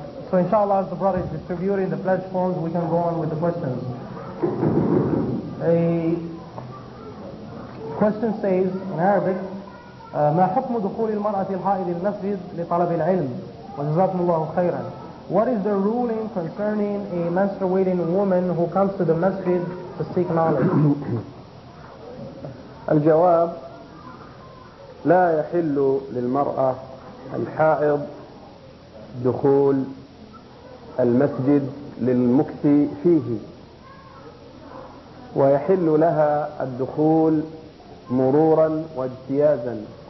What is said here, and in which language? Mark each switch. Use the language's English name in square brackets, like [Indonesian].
[English] So inshallah, as the brother is distributing the pledge forms, we can go on with the questions. A question says in Arabic, [Arabic] ما حكم دخول المرأة الحائض المسجد لطلب العلم وجزاكم الله خيرا. [English] What is the ruling concerning a menstruating woman who comes to the masjid to seek knowledge? [Arabic] الجواب لا يحل للمرأة الحائض دخول المسجد للمكث فيه، ويحل لها الدخول مرورا واجتيازا،